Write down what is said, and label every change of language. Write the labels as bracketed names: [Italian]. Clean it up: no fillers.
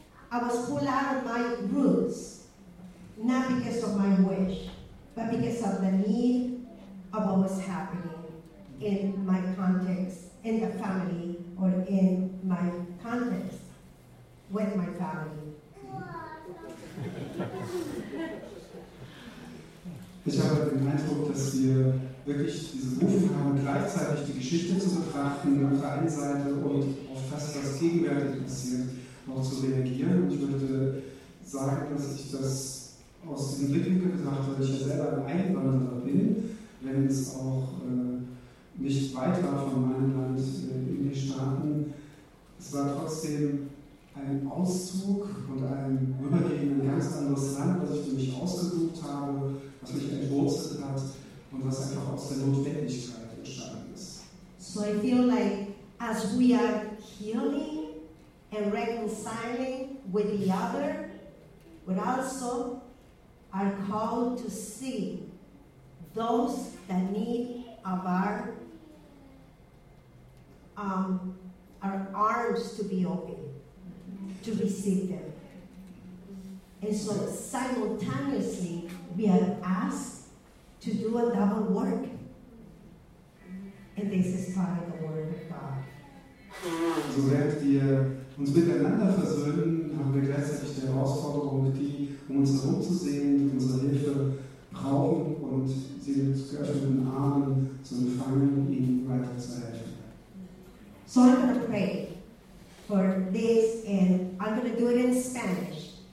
[English] I was pulled out of my roots, not because of my wish, but because of the need of what was happening in my context, in the family, or in my context with my family. [German] Ich habe den Eindruck, dass wir wirklich diese Berufung haben, gleichzeitig die Geschichte zu betrachten auf der einen Seite und auf das, was gegenwärtig passiert, noch zu reagieren. Und ich möchte sagen, dass ich das aus diesem Blickwinkel betrachte, weil ich ja selber ein Einwanderer bin, wenn es auch nicht weit war von meinem Land in die Staaten. Es war trotzdem ein Auszug und ein Übergehen in ein ganz anderes Land, was ich für mich ausgesucht habe, was mich entwurzelt hat und was einfach aus der Notwendigkeit entstanden ist. [English] So I feel like as we are healing and reconciling with the other, we also are called to see those that need our arms to be open, to receive them. And so simultaneously, we are asked to do a double work. And this is part of the Word of God. [German] So während wir uns miteinander versöhnen, haben wir gleichzeitig die Herausforderung, die um uns herum zu sehen, die unsere Hilfe brauchen und sie mit geöffneten Armen zu empfangen, ihnen weiter zu helfen. [English] So I'm going to pray for this, and I'm going to do it in Spanish.